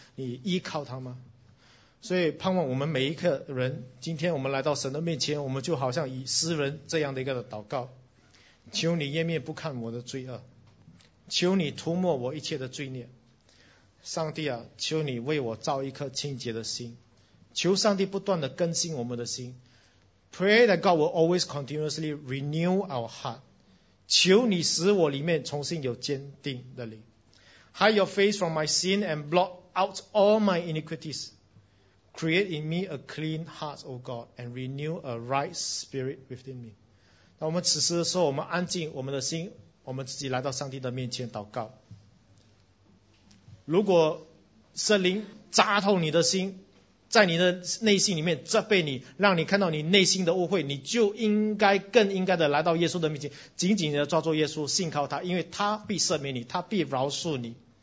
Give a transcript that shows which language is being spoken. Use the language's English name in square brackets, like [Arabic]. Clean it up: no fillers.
[Chinese] 你依靠他吗？所以盼望我们每一个人，今天我们来到神的面前，我们就好像以诗人这样的一个的祷告，求你掩面不看我的罪恶，求你涂抹我一切的罪孽。上帝啊，求你为我造一颗清洁的心，求上帝不断的更新我们的心。 [English] Pray that God will always continuously renew our heart. [Chinese] 求你使我里面重新有坚定的灵。 [English] Hide your face from my sin and blot out all my iniquities. Create in me a clean heart, O God, and renew a right spirit within me. [Chinese] 那我们此时的时候，我们安静我们的心，我们自己来到上帝的面前祷告。如果圣灵扎透你的心，在你的内心里面责备你，让你看到你内心的污秽，你就应该更应该的来到耶稣的面前，紧紧的抓住耶稣，信靠他，因为他必赦免你，他必饶恕你。